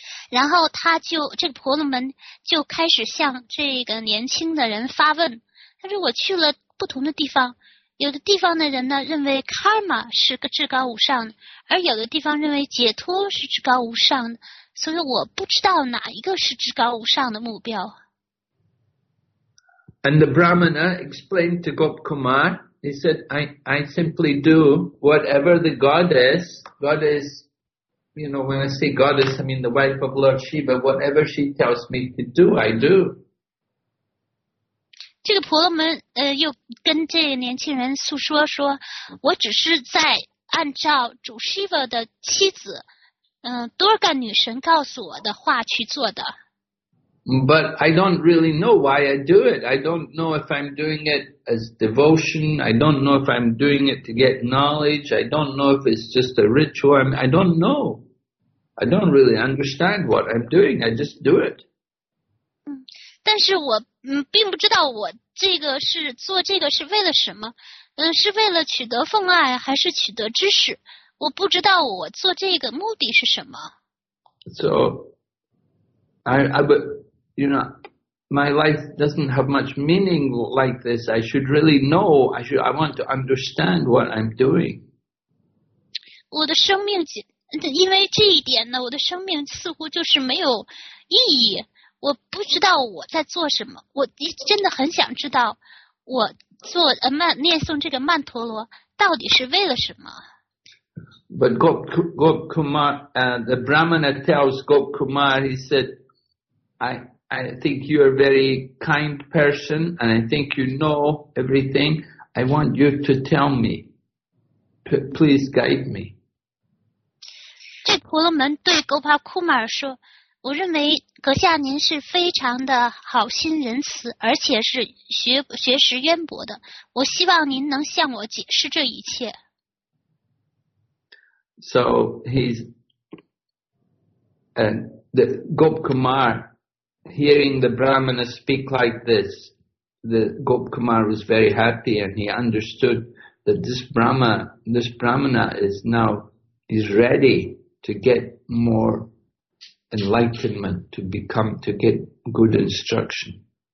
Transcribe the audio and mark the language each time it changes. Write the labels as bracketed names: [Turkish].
[Chinese] 然后这个婆罗门就开始向这个年轻的人发问。他说我去了不同的地方，有的地方的人呢认为 karma 是个至高无上的，而有的地方认为解脱是至高无上的，所以我不知道哪一个是至高无上的目标。 [English] And the Brahmana explained to Gop Kumar, he said, I simply do whatever the goddess, you know, when I say goddess, I mean the wife of Lord Shiva, whatever she tells me to do, I do. [Chinese] 这个婆罗门又跟这个年轻人诉说说，我只是在按照主 Shiva 的妻子Durga 女神告诉我的话去做的。 [English] But I don't really know why I do it. I don't know if I'm doing it as devotion. I don't know if I'm doing it to get knowledge. I don't know if it's just a ritual. I don't know. I don't really understand what I'm doing. I just do it. [Chinese] 但是我并不知道我这个是做这个是为了什么，是为了取得奉爱还是取得知识，我不知道我做这个目的是什么。 [English] So, you know, my life doesn't have much meaning like this. I should really know. I want to understand what I'm doing. [Chinese] 我的生命，因为这一点呢，我的生命似乎就是没有意义。我不知道我在做什么。我真的很想知道，我做念诵这个曼陀罗到底是为了什么。 [English] But Gop Kumar, the Brahmana tells Gop Kumar, he said, I think you're a very kind person, and I think you know everything. I want you to tell me. Please guide me. [Chinese] 这婆罗门对 Gopal Kumar 说，我认为阁下您是非常的好心仁慈，而且是学识渊博的。我希望您能向我解释这一切。 [English] So he's, and Gop Kumar,hearing the Brahmana speak like this, the Gop Kumar was very happy, and he understood that this Brahmana is ready to get more enlightenment, to get good instruction.